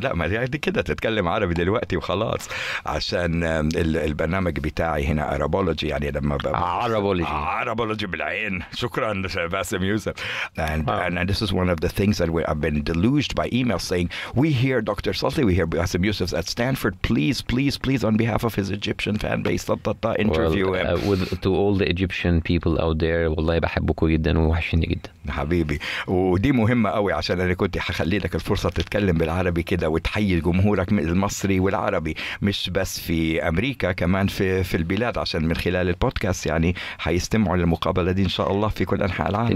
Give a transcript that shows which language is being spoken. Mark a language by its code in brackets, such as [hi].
[ar] لا ما دي كده تتكلم عربي دلوقتي وخلاص عشان البرنامج بتاعي هنا عربولوجي يعني لما عربولوجي بالعين شكرا باسم يوسف [en] and this is one of the things that I've been deluged by email saying we hear Dr. Salti we hear Bassem Youssef at Stanford. Please, please, please, on behalf of his Egyptian fan base, interview well, him. To all the Egyptian people out there, [ar] والله بحبكم جدا ووحشني جدا. حبيبي. ودي مهمة قوي عشان أنا كنت هخلي لك الفرصة تتكلم بالعربي كده وتحيي جمهورك المصري والعربي مش بس في أمريكا كمان في البلاد عشان من خلال البودكاست يعني هيستمعوا للمقابلة دي إن شاء الله في كل أنحاء العالم.